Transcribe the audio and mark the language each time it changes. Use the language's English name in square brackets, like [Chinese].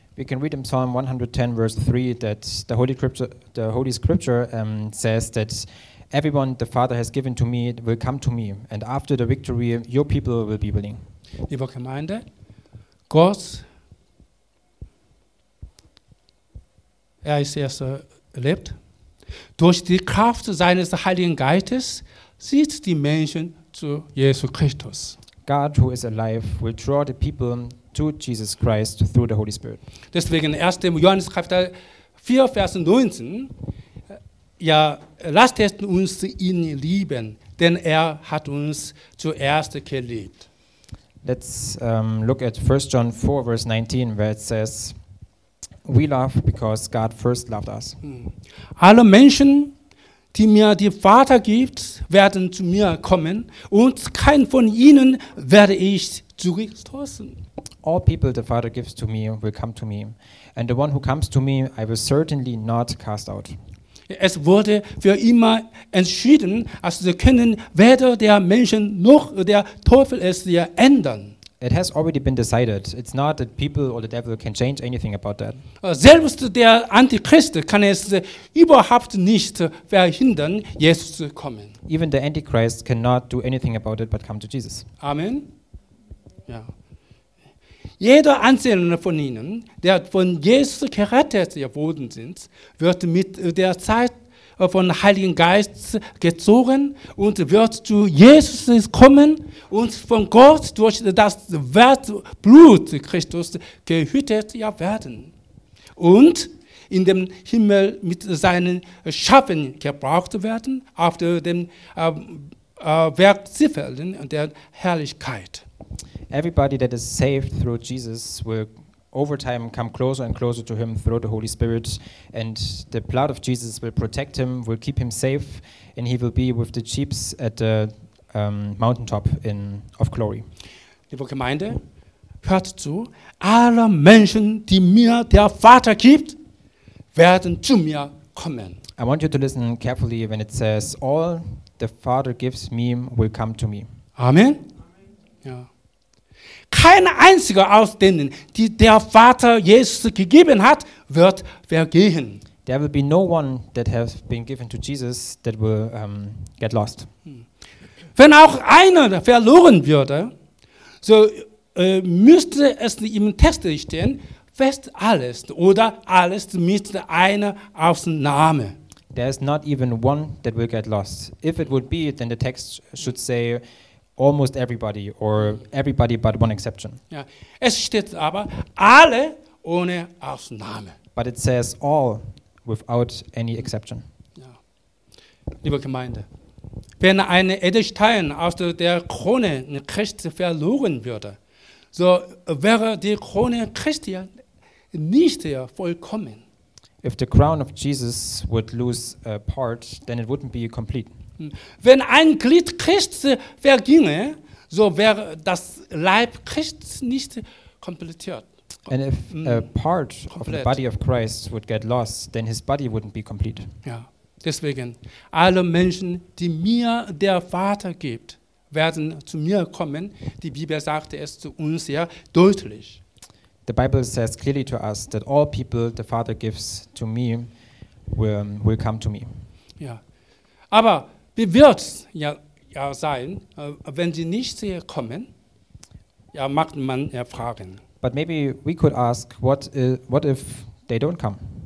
[English] We can read in Psalm 110, verse 3, that the Holy Scripture says that everyone the Father has given to me will come to me, and after the victory, your people will be willing. [German] Liebe Gemeinde, Gott, er ist erst erlebt. Durch die Kraft seines Heiligen Geistes zieht die Menschen zu Jesus Christus. [English] God, who is alive, will draw the people to Jesus Christ through the Holy Spirit. [German] Deswegen 1. Johannes Kapitel 4, Vers 19. Ja, lasst es uns ihn lieben, denn er hat uns zuerst geliebt. [English] Let's look at 1 John 4, verse 19, where it says, we love because God first loved us. [German] Alle Menschen, die mir die Vater gibt, werden zu mir kommen und kein von ihnen werde ich zurückstoßen. [English] All people the Father gives to me will come to me, and the one who comes to me I will certainly not cast out. [German] Es wurde für immer entschieden, also sie können weder der Menschen noch der Teufel es hier ändern. [English] It has already been decided. It's not that people or the devil can change anything about that. [German] Selbst der Antichrist kann es überhaupt nicht verhindern, Jesus zu kommen. [English] Even the Antichrist cannot do anything about it but come to Jesus. [German] Amen. Ja. Jeder Einzelne von Ihnen, der von Jesus gerettet worden sind, wird mit der Zeit von Heiligen Geist gezogen und wird zu Jesus kommen und von Gott durch das Wort Blut Christus gehütet werden und in dem Himmel mit seinen Schafen gebraucht werden auf den Werkzifferen der Herrlichkeit. [English] Everybody that is saved through Jesus will over time come closer and closer to him through the Holy Spirit, and the blood of Jesus will protect him, will keep him safe, and he will be with the sheep at the mountaintop of glory. [German] Liebe Gemeinde, hört zu, alle Menschen, die mir der Vater gibt, werden zu mir kommen. [English] I want you to listen carefully when it says, all the Father gives me will come to me. [German] Amen. Ja. Kein einziger aus denen, die der Vater Jesus gegeben hat, wird vergehen. [English] There will be no one that has been given to Jesus that will get lost. [German] Wenn auch einer verloren würde, so müsste es im Text stehen, fest alles oder alles mit einer Ausnahme. [English] There is not even one that will get lost. If it would be, then the text should say, almost everybody or everybody but one exception. [German] Ja. Es steht aber alle ohne Ausnahme. [English] But it says all without any exception. [German] Ja. Liebe Gemeinde, wenn ein Edelstein aus der Krone Christi verloren würde, so wäre die Krone Christi nicht vollkommen. [English] If the crown of Jesus would lose a part, then it wouldn't be complete. [German] Wenn ein Glied Christi verginge, so wäre das Leib Christi nicht komplettiert. [English] And if a part of the body of Christ would get lost, then his body wouldn't be complete. [German] Ja, deswegen, alle Menschen, die mir der Vater gibt, werden zu mir kommen. Die Bibel sagt es zu uns sehr deutlich. [English] The Bible says clearly to us that all people the Father gives to me will come to me. [German] Ja, aber wie wird es ja sein, wenn sie nicht kommen? Ja, mag man ja fragen. [English] But maybe we could ask, what if they don't come?